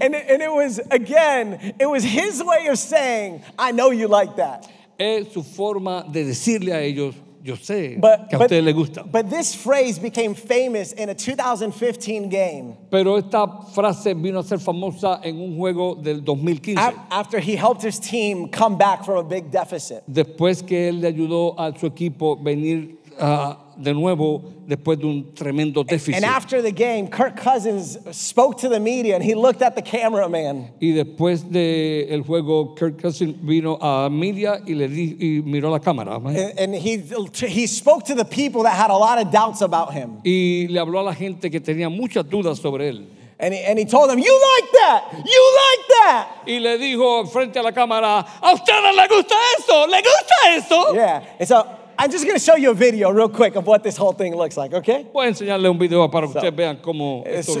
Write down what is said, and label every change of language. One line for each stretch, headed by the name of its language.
English: And it was, again, it was his way of saying, I know you like that.
Spanish: Es su forma de decirle a ellos, yo sé que a usted le gusta.
English: But this phrase became famous in a 2015 game.
Spanish: Pero esta frase vino a ser famosa en un juego del 2015.
English: After he helped his team come back from a big deficit.
Spanish: Después que él le ayudó a su equipo venir de nuevo después de un tremendo déficit.
English: And after the game, Kirk Cousins spoke to the media and he looked at the cameraman.
Spanish: Y después del juego, Kirk Cousins vino a media y miró la cámara.
English: And he spoke to the people that had a lot of doubts about him.
Spanish: Y le habló a la gente que tenía muchas dudas sobre él.
English: And he told them, "You like that? You like that?"
Spanish: Y le dijo frente a la cámara, "¿A ustedes les gusta eso? ¿Le gusta eso?"
English: Yeah. And so I'm just going to show you a video real quick of what this whole thing looks like, okay?
Spanish: Voy a enseñarle un video para que ustedes vean cómo esto